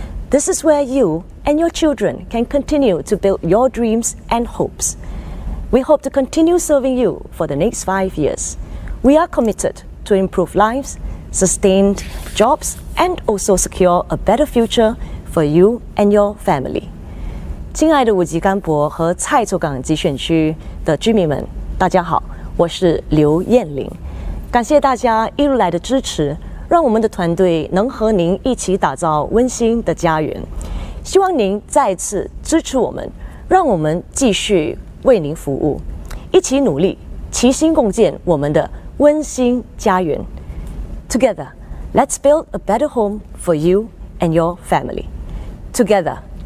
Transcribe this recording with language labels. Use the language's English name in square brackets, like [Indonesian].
[English] This is where you and your children can continue to build your dreams and hopes. We hope to continue serving you for the next 5 years. We are committed to improve lives, sustain jobs, and also secure a better future for you and your family. [Chinese] 亲爱的武吉甘博和蔡厝港集选区的居民们，大家好，我是刘燕玲。感谢大家一路来的支持，让我们的团队能和您一起打造温馨的家园。希望您再次支持我们，让我们继续为您服务，一起努力，齐心共建我们的温馨家园。 [English] Together, let's build a better home for you and your family. Together,